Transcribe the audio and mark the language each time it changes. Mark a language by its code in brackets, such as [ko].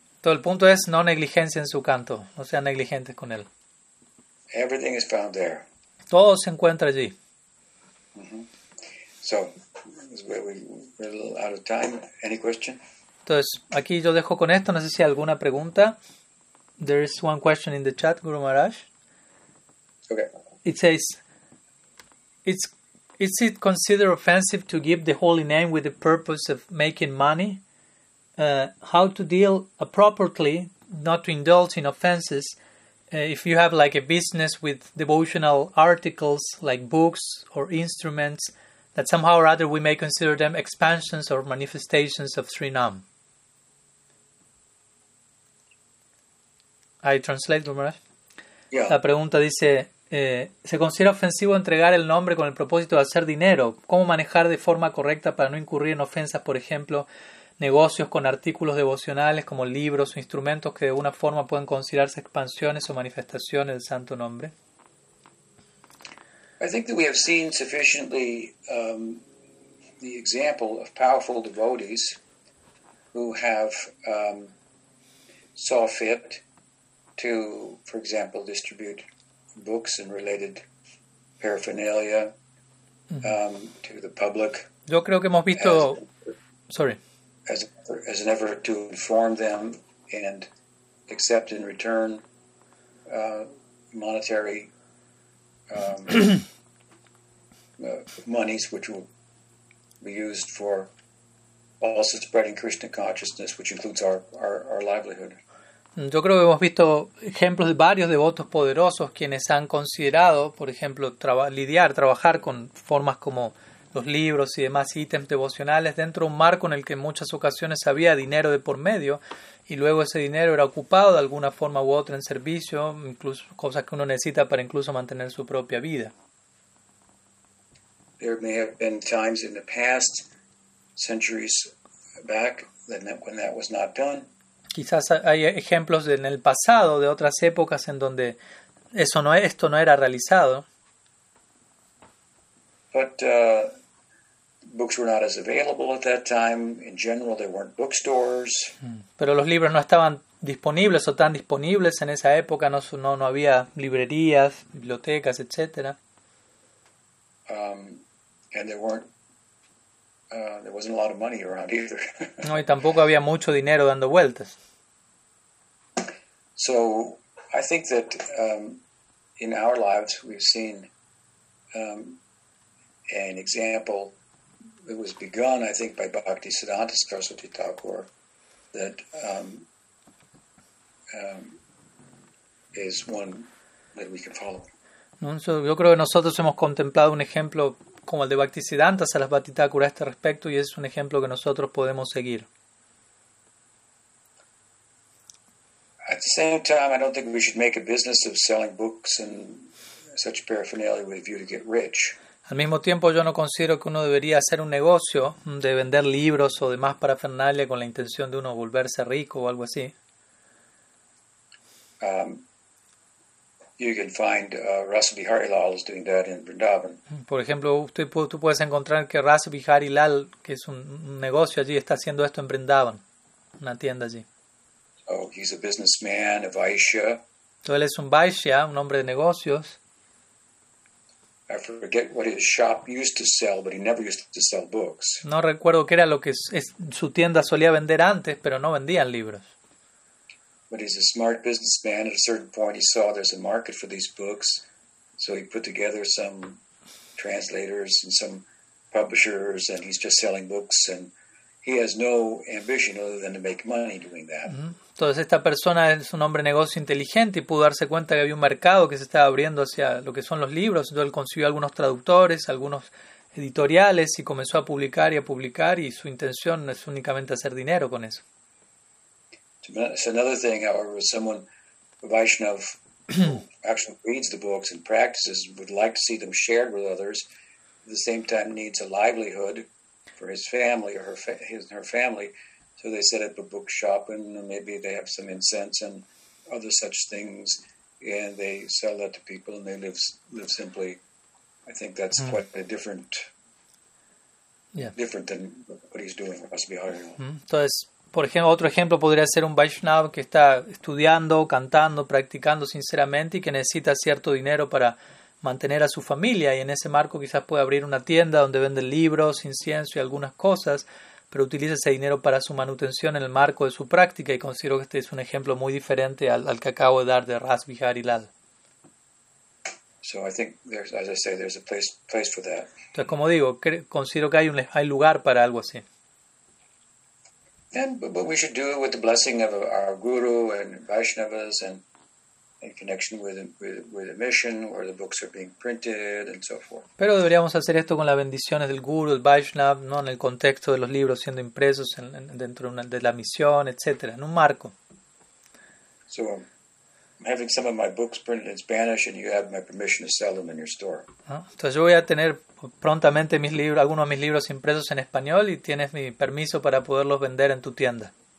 [es] Todo el punto es no negligencia en su canto, no sean negligentes con él. [en] Everything is found there. [es] Todo se encuentra allí. [en] So, we're a little out of time. Any question? [es] Entonces, aquí yo dejo con esto, no sé si hay alguna pregunta. [en] There is one question in the chat, Guru Maharaj. Okay. It says, Is it considered offensive to give the holy name with the purpose of making money? how to deal appropriately, not to indulge in offenses. If you have like a business with devotional articles like books or instruments, that somehow or other we may consider them expansions or manifestations of Srinam. I translate, Gumaraj. Yeah. [es] La pregunta dice, ¿se considera ofensivo entregar el nombre con el propósito de hacer dinero? ¿Cómo manejar de forma correcta para no incurrir en ofensas, por ejemplo, negocios con artículos devocionales como libros o instrumentos que de alguna forma pueden considerarse expansiones o manifestaciones del santo nombre? [en] I think that we have seen sufficiently the example of powerful devotees who have saw fit to, for example, distribute books and related paraphernalia to the public. [es] Yo creo que hemos visto, [en] as an effort to inform them and accept in return monetary monies which will be used for also spreading Krishna consciousness, which includes our livelihood. [es] Yo creo que hemos visto ejemplos de varios devotos poderosos quienes han considerado, por ejemplo, trabajar con formas como los libros y demás ítems devocionales dentro de un marco en el que en muchas ocasiones había dinero de por medio y luego ese dinero era ocupado de alguna forma u otra en servicio, incluso cosas que uno necesita para incluso mantener su propia vida. [en] There may have been times in the past, centuries back, when that was not done. [es] Quizás hay ejemplos en el pasado de otras épocas en donde eso no, esto no era realizado. [en] But books were not as available at that time. In general, there weren't bookstores. [es] Pero los libros no estaban disponibles o tan disponibles en esa época. No había librerías, bibliotecas, etc. [en] And there wasn't a lot of money around either. [es] No, y tampoco había mucho dinero dando vueltas. [en] So I think that in our lives we've seen an example that was begun, I think, by Bhakti Siddhanta Saraswati Thakur, that is one that we can follow. [es] Yo creo que nosotros hemos contemplado un ejemplo como el de Bhakti Siddhanta Saraswati Thakur a este respecto, y es un ejemplo que nosotros podemos seguir. [en] At the same time, I don't think we should make a business of selling books and such paraphernalia with a view to get rich. [es] Al mismo tiempo, yo no considero que uno debería hacer un negocio de vender libros o demás parafernalia con la intención de uno volverse rico o algo así. [en] You can find Rasa Bihari Lal is doing that in Vrindavan. [es] Por ejemplo, tú puedes encontrar que Rasa Bihari Lal, que es un negocio allí, está haciendo esto en Vrindavan, una tienda allí. [en] Oh, he's a businessman, a Vaishya. [es] So él es un Vaishya, un hombre de negocios. [en] I forget what his shop used to sell, but he never used to sell books. [es] No recuerdo qué era lo que su tienda solía vender antes, pero no vendían libros. [en] But he's a smart businessman. At a certain point, he saw there's a market for these books, so he put together some translators and some publishers, and he's just selling books, and he has no ambition other than to make money doing that. [es] Entonces esta persona es un hombre de negocio inteligente y pudo darse cuenta que había un mercado que se estaba abriendo hacia lo que son los libros. Entonces él consiguió algunos traductores, algunos editoriales y comenzó a publicar y a publicar, y su intención es únicamente hacer dinero con eso. [en] It's another thing, however, someone, a Vaishnav, who actually reads the books and practices, would like to see them shared with others, at the same time needs a livelihood for his family or her family. So they set up a bookshop, and maybe they have some incense and other such things, and they sell that to people, and they live simply. I think that's quite a different, different than what he's doing. [es] Entonces, por ejemplo, otro ejemplo podría ser un Vaishnava que está estudiando, cantando, practicando sinceramente y que necesita cierto dinero para mantener a su familia, y en ese marco quizás puede abrir una tienda donde vende libros, incienso y algunas cosas, pero utiliza ese dinero para su manutención en el marco de su práctica, y considero que este es un ejemplo muy diferente al que acabo de dar de Ras Bihari Lal. [en] So I think there's, as I say, there's a place for that. [es] Entonces, como digo, considero que hay lugar para algo así. [en] And but we should do it with the blessing of our guru and Vaishnavas, and in connection with a mission where the books are being printed and so forth. [es] Pero deberíamos hacer esto con las bendiciones del guru, el Vaishnav, no en el contexto de los libros siendo impresos dentro de la misión, etcétera, en un marco. [en] So I'm having some of my books printed in Spanish, and you have my permission to sell them in your store. [es] Entonces yo voy a tener prontamente mis libros, algunos de mis libros impresos en español, y tienes mi permiso para poderlos vender en tu tienda.